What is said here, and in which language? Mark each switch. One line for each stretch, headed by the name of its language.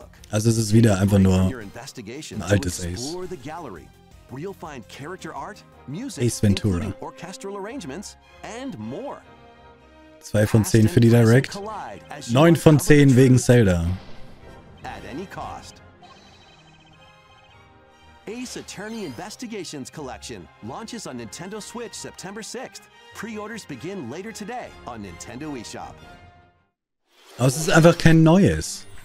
German: Also es ist wieder einfach nur ein altes Ace.
English: You'll find character art, music, Ace Ventura. Orchestral arrangements and more.
German: 2 von 10 für die Direct. 9 von 10 wegen Zelda.
English: At any cost. Ace Attorney Investigations Collection launches on Nintendo Switch September 6th. Pre-orders begin later today on Nintendo eShop.
German: Aber es ist einfach kein neues.